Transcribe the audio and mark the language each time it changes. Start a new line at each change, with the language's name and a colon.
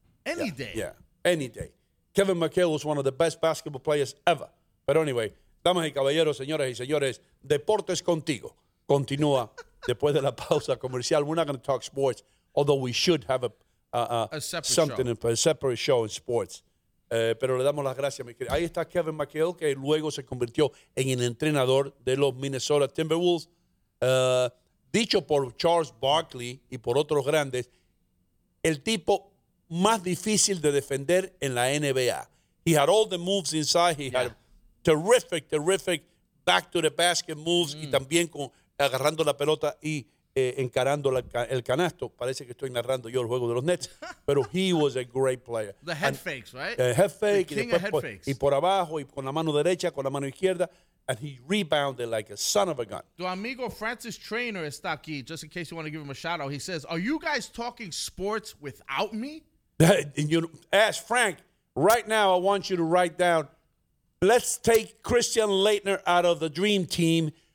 English: Any yeah. day. Yeah, any day. Kevin McHale was one of the best basketball players ever. But anyway,
Spanish: damas y caballeros, señoras y señores, Deportes Contigo continúa después de la pausa comercial.
English: We're not going to talk sports, although we should have a separate something show. A separate show in sports.
Spanish: Pero le damos las gracias, mi querido. Ahí está Kevin McHale, que luego se convirtió en el entrenador de los Minnesota Timberwolves. Dicho por Charles Barkley y por otros grandes, el tipo más difícil de defender en la NBA.
English: He had all the moves inside. He had terrific, terrific back to the basket moves
Spanish: y también con, agarrando la pelota y encarando la, el canasto. Parece que estoy narrando yo el juego de los Nets. Pero
English: he was a great player. The head and, fakes, right? Head fake. The king of head por, fakes.
Spanish: Y por abajo, y con la mano derecha, con la mano izquierda.
English: And he rebounded like a son of a gun.
Spanish: Tu amigo Francis Trainer está aquí,
English: just in case you want to give him a shout out. He says, are you guys talking sports without me? And you ask Frank, right now I want you to write down, let's take Christian Laettner out of the Dream Team.